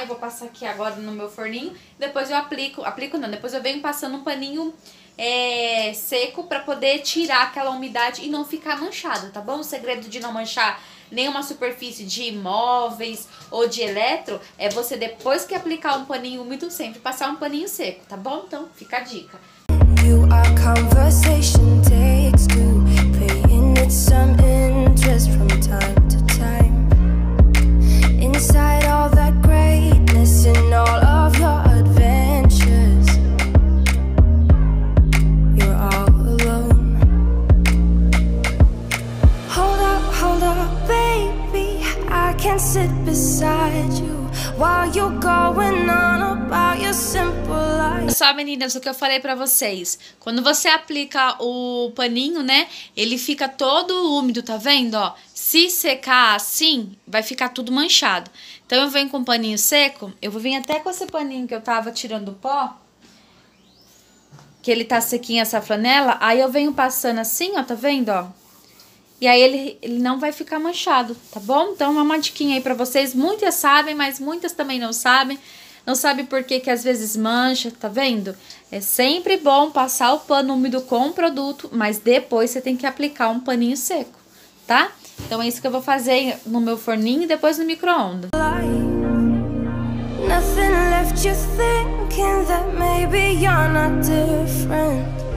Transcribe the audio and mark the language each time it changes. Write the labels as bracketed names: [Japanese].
[Portuguese] Eu vou passar aqui agora no meu forninho. Depois eu depois eu venho passando um paninho seco pra poder tirar aquela umidade e não ficar manchado, tá bom? O segredo de não manchar nenhuma superfície de imóveis ou de eletro é você, depois que aplicar um paninho úmido, sempre passar um paninho seco, tá bom? Então fica a dica. [English] You are conversation takes two, paying it some interest from time to time. Inside all that greatness and all of your adventures, you're all alone. Hold up, baby, I can sit beside you while you're going on about your simple life. [Portuguese] Só, meninas, o que eu falei pra vocês. Quando você aplica o paninho, né, ele fica todo úmido, tá vendo, ó? Se secar assim, vai ficar tudo manchado. Então, eu venho com um paninho seco. Eu vou vir até com esse paninho que eu tava tirando o pó, que ele tá sequinho, essa flanela. Aí, eu venho passando assim, ó, tá vendo, ó? E aí, ele não vai ficar manchado, tá bom? Então, uma diquinha aí pra vocês. Muitas sabem, mas muitas também não sabem. Não sabe por que que às vezes mancha, tá vendo? É sempre bom passar o pano úmido com o produto, mas depois você tem que aplicar um paninho seco, tá? Então, é isso que eu vou fazer no meu forninho e depois no micro-ondas. [English] Nothing left you thinking that maybe you're not different.